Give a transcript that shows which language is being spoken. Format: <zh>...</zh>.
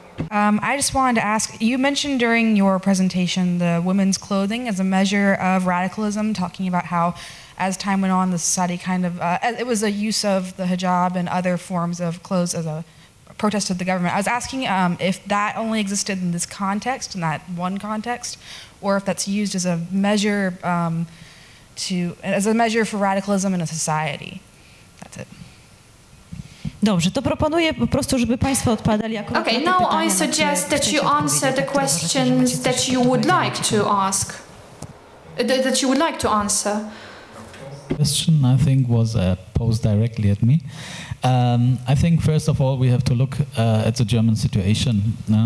<en>I just wanted to ask, you mentioned during your presentation the women's clothing as a measure of radicalism, talking about how as time went on the society kind of, it was a use of the hijab and other forms of clothes as a protest of the government. I was asking if that only existed in this context, in that one context, or if that's used as a measure for radicalism in a society. That's it.</en> <pl>Dobrze, to proponuję po prostu, żeby państwo odpadali akurat.</pl> <en>Okay, now I suggest that you answer the questions that you would like to ask. That you would like to answer. Question, I think, was posed directly at me. I think, first of all, we have to look at the German situation.</en>